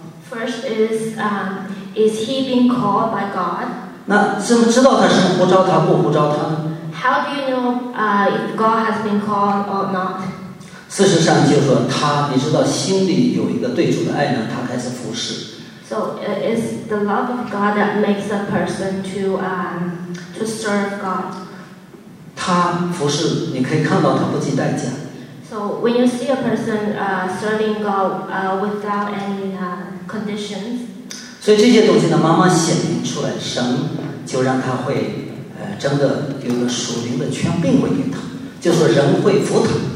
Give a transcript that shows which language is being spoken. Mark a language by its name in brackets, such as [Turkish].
[English] First is he being called by God? [Chinese] 那怎么知道他是呼召他不呼召他呢？ [English] How do you know if God has been called or not? [Chinese] 事实上就是说他，你知道心里有一个对主的爱呢，他开始服侍。 [English] So it's the love of God that makes a person to serve God. [Chinese] 他服侍，你可以看到他不计代价。 [English] So when you see a person serving God without any conditions, [Chinese] 所以这些东西呢，慢慢显明出来，神就让他会，真的有个属灵的权柄会给他，就说人会服他。